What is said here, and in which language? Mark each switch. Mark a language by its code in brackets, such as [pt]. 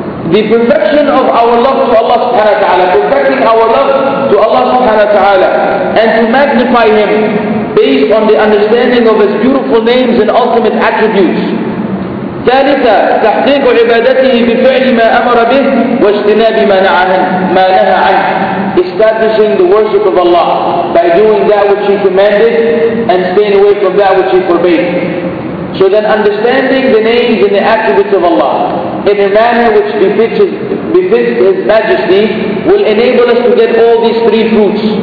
[en] The perfection of our love to Allah subhanahu wa ta'ala, perfecting our love to Allah subhanahu wa ta'ala, and to magnify Him based on the understanding of His beautiful names and ultimate attributes. [ar] ثالثا تحقيق عبادته بفعل ما أمر به واجتناب ما نهى عنه. [en] Establishing the worship of Allah by doing that which He commanded and staying away from that which He forbade. So then understanding the names and the attributes of Allah in a manner which befits His majesty will enable us to get all these three fruits.